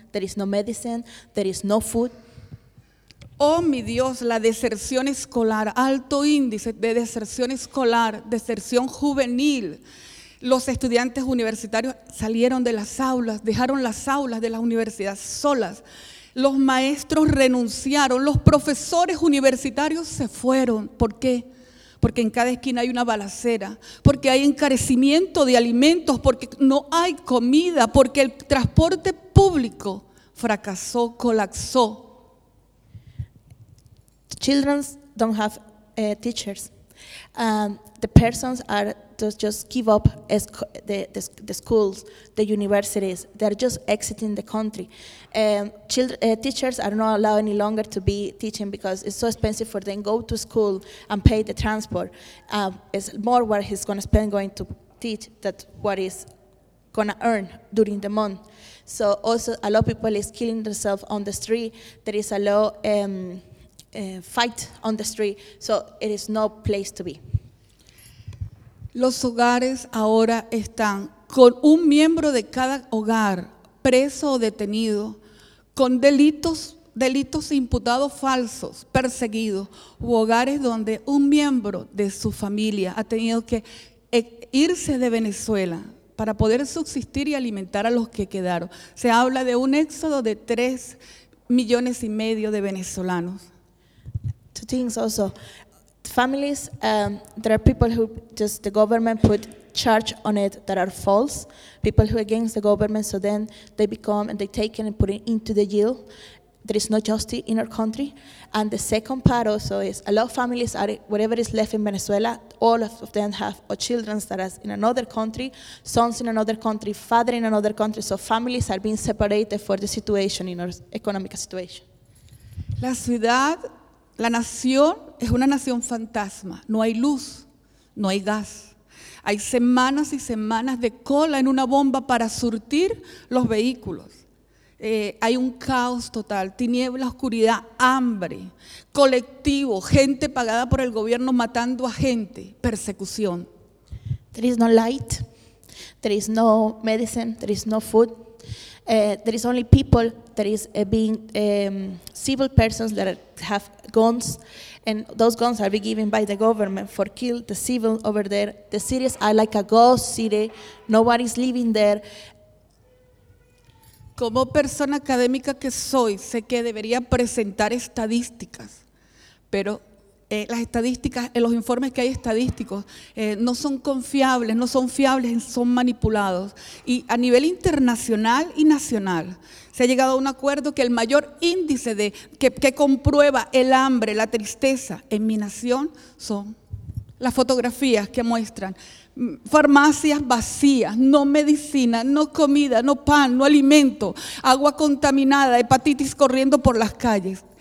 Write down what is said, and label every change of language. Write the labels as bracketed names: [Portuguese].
[English] There is no medicine, there is no food. [Spanish] Oh, mi Dios, la deserción escolar, alto índice de deserción escolar, deserción juvenil. Los estudiantes universitarios salieron de las aulas, dejaron las aulas de las universidades solas. Los maestros renunciaron, los profesores universitarios se fueron. ¿Por qué? Porque en cada esquina hay una balacera, porque hay encarecimiento de alimentos, porque no hay comida, porque el transporte público fracasó, colapsó. [English] Children don't have teachers. The persons are just give up the schools, the universities. They're just exiting the country. Teachers are not allowed any longer to be teaching because it's so expensive for them to go to school and pay the transport. It's more what he's going to spend going to teach than what he's going to earn during the month. So also a lot of people is killing themselves on the street. There is a lot fight on the street. So it is no place to be. [Spanish] Los hogares ahora están con un miembro de cada hogar preso o detenido, con delitos imputados falsos, perseguidos, u hogares donde un miembro de su familia ha tenido que irse de Venezuela para poder subsistir y alimentar a los que quedaron. Se habla de un éxodo de 3.5 millones de venezolanos. [English] Two things also. Families, there are people who just the government put charge on it that are false, people who are against the government, so then they become and they take it and put it into the jail. There is no justice in our country. And the second part also is a lot of families, are whatever is left in Venezuela, all of them have or children that are in another country, sons in another country, father in another country, so families are being separated for the situation, in our economic situation. [Spanish] La ciudad, la nación es una nación fantasma. No hay luz, no hay gas. Hay semanas y semanas de cola en una bomba para surtir los vehículos. Hay un caos total, tiniebla, oscuridad, hambre, colectivo, gente pagada por el gobierno matando a gente, persecución. [English] There is no light, there is no medicine, there is no food. There is only people, there is being civil persons that have guns, and those guns are being given by the government for kill the civil over there. The cities are like a ghost city, nobody is living there. [Spanish] Como persona académica que soy, sé que debería presentar estadísticas, pero Las estadísticas, los informes que hay estadísticos no son confiables, no son fiables, son manipulados. Y a nivel internacional y nacional se ha llegado a un acuerdo que el mayor índice de que comprueba el hambre, la tristeza en mi nación son las fotografías que muestran farmacias vacías, no medicina, no comida, no pan, no alimento, agua contaminada, hepatitis corriendo por las calles.